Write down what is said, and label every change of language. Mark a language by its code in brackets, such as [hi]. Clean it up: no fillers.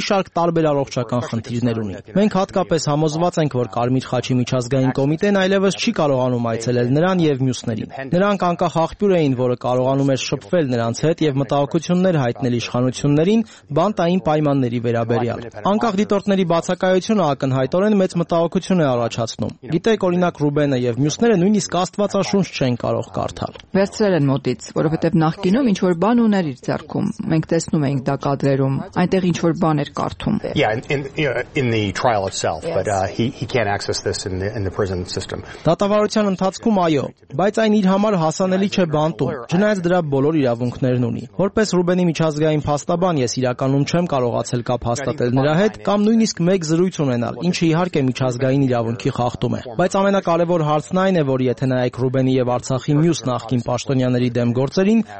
[hy] շարք տարբեր առողջական խնդիրներ ունի։ Մենք հատկապես համոզված ենք, որ Կարմիր Խաչի միջազգային կոմիտեն այլևս չի կարողանում այցելել նրան եւ մյուսներին։ Նրանք անկախ աղբյուր էին, որը կարողանում էր շփվել նրանց հետ եւ մտահոգություններ հայտնել իշխանություններին բանտային պայմանների վերաբերյալ։ Անկախ դիտորդների բացակայությունը ակնհայտորեն մեծ մտահոգություն է առաջացնում։ Գիտեք, օրինակ Ռուբենը եւ մյուսները նույնիսկ աստվածաշունչ չեն կարող կարդալ։ Վերցրել են մոտից, որովհետեւ նախկինում ինչ որ բան ուներ իր ձեռքում։ Մենք տեսնում էինք դա կադրերում։ Այնտեղ ինչ որ բան կարդում։ [en] Yeah, in the trial itself, yes. But he can't access this in the prison system. [hy] Դատավարության ընթացքում այո, բայց այն իր համար հասանելի չէ բանտում, չնայած դրա բոլոր իրավունքներն ունի։ Որպես Ռուբենի միջազգային փաստաբան ես իրականում չեմ կարողացել կապ հաստատել նրա հետ կամ նույնիսկ մեկ զրույց ունենալ, ինչը իհարկե միջազգային իրավունքի խախտում է։ Բայց ամենակարևոր հարցն այն է, որ եթե նայեք Ռուբենի եւ Արցախի մյուս նախկին պաշտոնյաների դեմ գործերին,